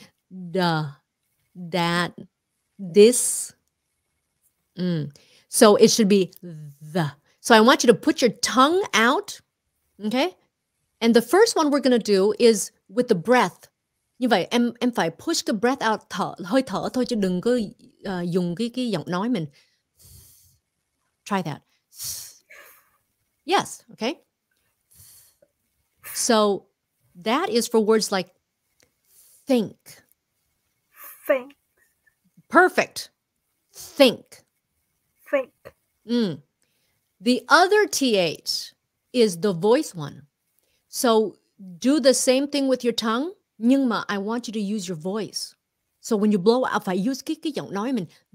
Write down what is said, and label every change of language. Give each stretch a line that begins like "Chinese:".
English: Duh. Dat. This. So it should be the. So I want you to put your tongue out, okay? And the first one we're going to do is with the breath.
Vietnamese: Như vậy, em phải
English: push the breath out,
Vietnamese: thở, hơi thở thôi, chứ đừng có dùng cái giọng nói mình.
English: Try that. Yes, okay? So that is for words like think. Think. Perfect. Think. Think. Mm. The other TH is the voice one. So do the same thing with your tongue.
Vietnamese: Nhưng mà
English: I want you to use your voice. So when you blow out, if I use
Vietnamese: cái giọng nói mình.